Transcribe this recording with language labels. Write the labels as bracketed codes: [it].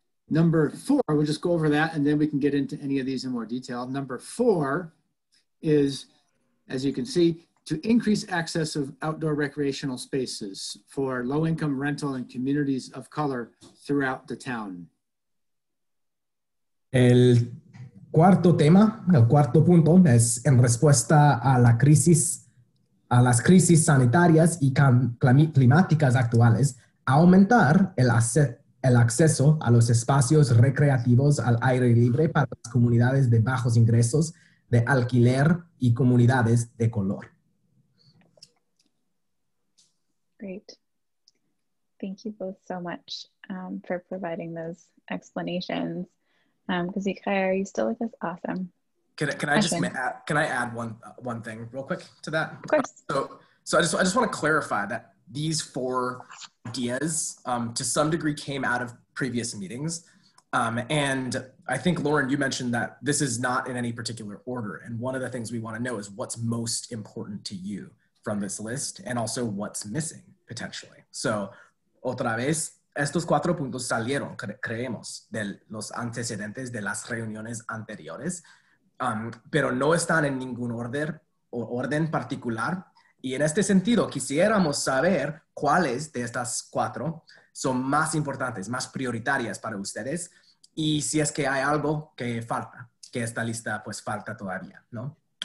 [en] Number four, we'll just go over that and then we can get into any of these in more detail. Number four is, as you can see, to increase access of outdoor recreational spaces for low-income rental and communities of color throughout the town. [es] El cuarto tema, el cuarto punto, es en respuesta a la crisis, a las crisis sanitarias y climáticas actuales, aumentar el acceso a los espacios recreativos al aire libre para las comunidades de bajos ingresos de alquiler y comunidades de color. [en] Great. Thank you both so much for providing those explanations. Kazikaya, are you still with us? Awesome. Can I add one thing real quick to that? Of course. So I just want to clarify that these four ideas to some degree came out of previous meetings. And I think, Lauren, you mentioned that this is not in any particular order. And one of the things we want to know is what's most important to you from this list and also what's missing potentially. [es] So, otra vez, estos cuatro puntos salieron, creemos, de los antecedentes de las reuniones anteriores, pero no están en ningún orden particular. Y en este sentido, quisiéramos saber cuáles de estas cuatro son más importantes, más prioritarias para ustedes, y si es que hay algo que falta, que esta lista pues falta todavía, ¿no?